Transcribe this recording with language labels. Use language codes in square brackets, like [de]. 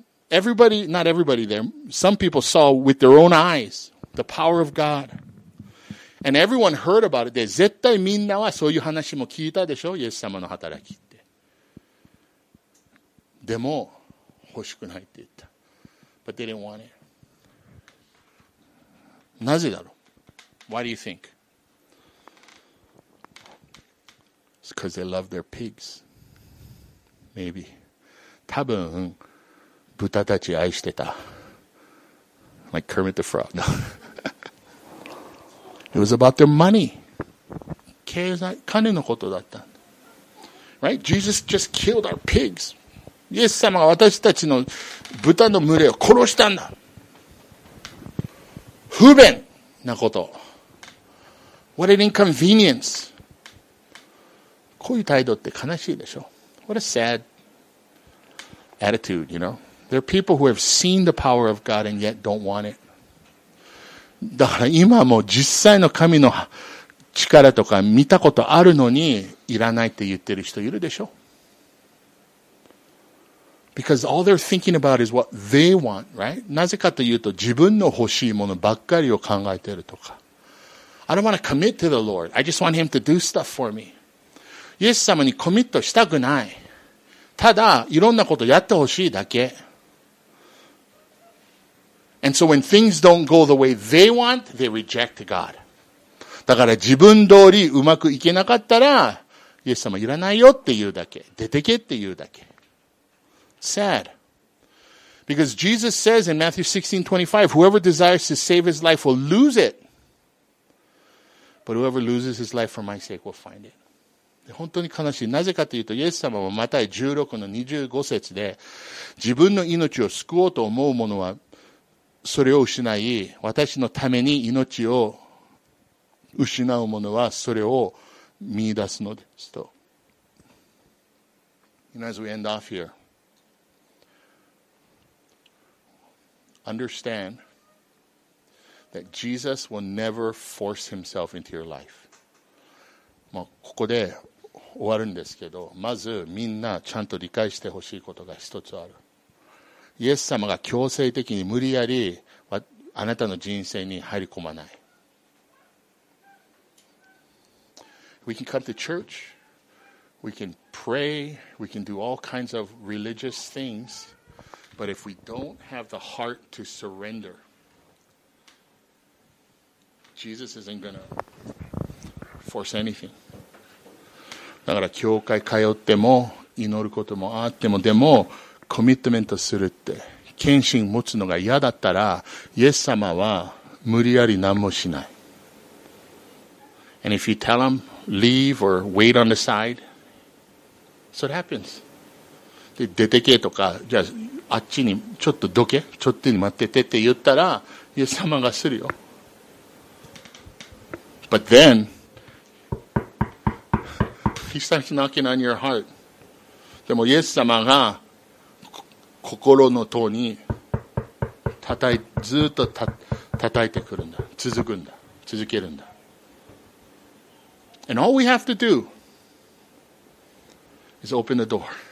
[en] ?Everybody, not everybody there, some people saw with their own eyes the power of God. And everyone heard about it. で、 [ja] 絶対みんなはそういう話も聞いたでしょ?イエス様の働きって。でも、欲しくないって言った。 [en] But they didn't want it. [ja] なぜだろう [en] ?Why do you think? Because they love their pigs. Maybe. [ja] 多分、豚たち愛してた。 [en] Like Kermit the Frog. It was about their money. [ja] 金のことだった。 [en] Right? Jesus just killed our pigs. [ja] イエス様が私たちの豚の群れを殺したんだ。不便なこと。 [en] What an inconvenience. [ja] こういう態度って悲しいでしょ? [en] What a sad attitude, you know? There are people who have seen the power of God and yet don't want it. [ja] だから今も実際の神の力とか見たことあるのにいらないって言ってる人いるでしょ? [en] Because all they're thinking about is what they want, right? [ja] なぜかというと自分の欲しいものばっかりを考えてるとか。 [en] I don't want to commit to the Lord. I just want him to do stuff for me. [ja] イエス様にコミットしたくない。ただ、いろんなことやってほしいだけ。 [en] And so when things don't go the way they want, they reject God. [ja] だから自分通りうまくいけなかったら、イエス様いらないよって言うだけ。出てけって言うだけ。 [en] Sad. Because Jesus says in Matthew 16:25, whoever desires to save his life will lose it. But whoever loses his life for my sake will find it. [ja] 本当に悲しい。なぜかというと、イエス様はマタイ16の25節で、自分の命を救おうと思う者は、それを失い、私のために命を失う者は、それを見出すのですと。 [en] And as we end off here, understand that Jesus will never force himself into your life. [ja] まあ、ここで、終わるんですけど、まずみんなちゃんと理解してほしいことが一つある。イエス様が強制的に無理やりあなたの人生に入り込まない。 [en] We can come to church, we can pray, we can do all kinds of religious things, but if we don't have the heart to surrender, Jesus isn't gonna force anything. [ja] だから教会通っても祈ることもあっても、でもコミットメントするって献身持つのが嫌だったら、イエス様は無理やり何もしない。 [en] And if you tell him leave or wait on the side, so it happens. [ja] で出てけとか、じゃああっちにちょっとどけ、ちょっとに待っててって言ったらイエス様がするよ。 [en] But then he starts knocking on your heart. [ja] でもイエス様が心の塔に叩いずっと叩いてくるんだ、続くんだ、続けるんだ。 [en] And all we have to do is open the door.